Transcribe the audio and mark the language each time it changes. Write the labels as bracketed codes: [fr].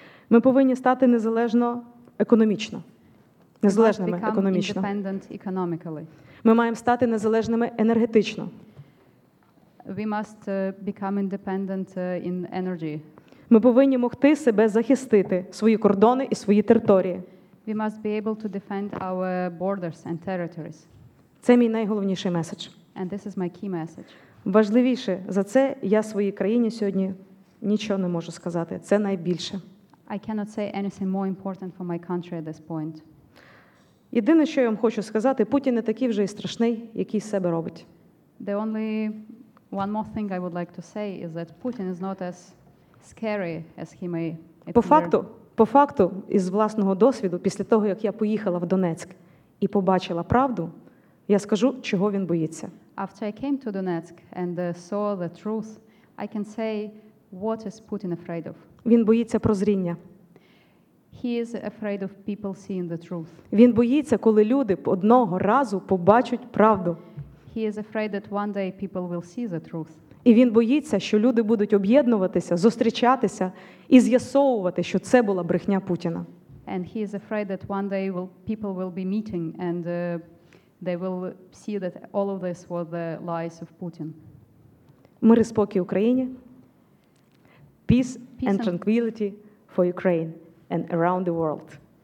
[uk] Ми повинні стати незалежно економічно. Незалежними економічно. [en] Independent economically. [uk] Ми маємо стати незалежними енергетично. [en] We must become independent in energy. [uk] Ми повинні могти себе захистити, свої кордони і свої території. [en] We must be able to defend our borders and territories. [uk] Це мій найголовніший меседж. [en] And this is my key message. [uk] Важливіше за це я своїй країні сьогодні нічого не можу сказати. Це найбільше. [en] I cannot say anything more important for my country at this point. [uk] Єдине, що я вам хочу сказати, Путін не такий вже і страшний, який себе робить. [en] The only one more thing I would like to say is that Putin is not as scary as he may appear. [uk] По факту, із власного досвіду, після того, як я поїхала в Донецьк і побачила правду, я скажу, чого він боїться. [en] After I came to Donetsk and saw the truth, I can say what is Putin afraid of. [uk] Він боїться прозріння. [en] He is afraid of people seeing the truth. [uk] Він боїться, коли люди одного разу побачать правду. [en] He is afraid that one day people will see the truth. [uk] І він боїться, що люди будуть об'єднуватися, зустрічатися і з'ясовувати, що це була брехня Путіна. [en] And he is afraid that one day people will be meeting and they will see that all of this was the lies of Putin. [uk] Мир і спокій Україні. [en] Peace and tranquility for Ukraine and around the world.